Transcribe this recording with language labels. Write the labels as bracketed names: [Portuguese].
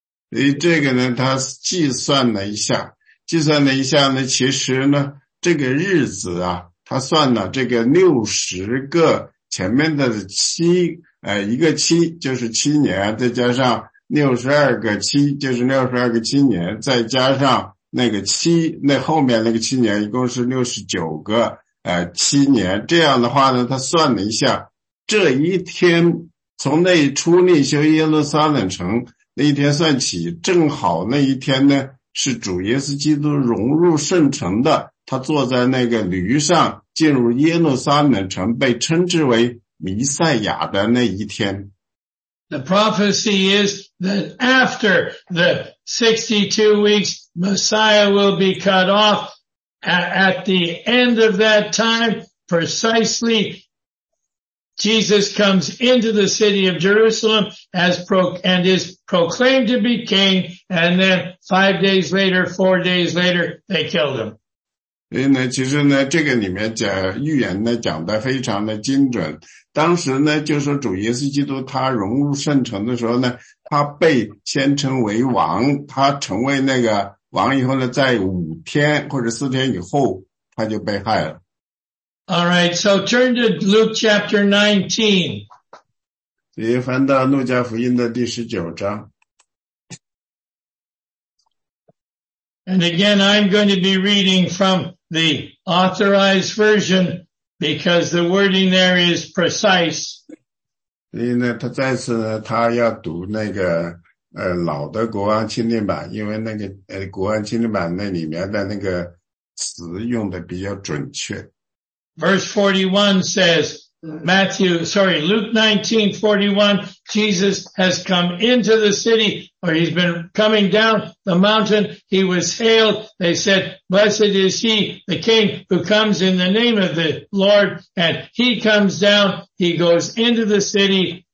[Chinese] 所以这个呢，他计算了一下，计算了一下呢，其实呢，这个日子啊，他算了这个六十个前面的七，一个七就是七年，再加上六十二个七就是六十二个七年，再加上那个七，那后面那个七年一共是69个七年，这样的话呢，他算了一下，这一天从那出立修耶路撒冷城那一天算起，正好那一天呢是主耶稣基督融入圣城的，他坐在那个驴上进入耶路撒冷城，被称之为弥赛亚的那一天。 [English] The prophecy is that after the 62 weeks, Messiah will be cut off at the end of that time. Precisely, Jesus comes into the city of Jerusalem and is proclaimed to be king. And then 5 days later, 4 days later, they killed him. [Chinese] 所以呢，其实呢，这个里面讲预言呢，讲得非常的精准。当时呢，就是主耶稣基督他融入圣城的时候呢，他被先称为王，他成为那个王以后呢，在5天或者4天以后，他就被害了。 [English] All right, so turn to Luke chapter 19. [Chinese] 所以翻到路加福音的第19章。 [English] And again, I'm going to be reading from the authorized version because the wording there is precise. [Chinese] 所以呢，他再次呢，他要读那个老的国王钦定版，因为那个国王钦定版那里面的那个词用的比较准确。 [English] Verse 41 says, Luke 19:41, Jesus has come into the city, or he's been coming down the mountain. He was hailed. They said, blessed is he, the king who comes in the name of the Lord. And he comes down, he goes into the city,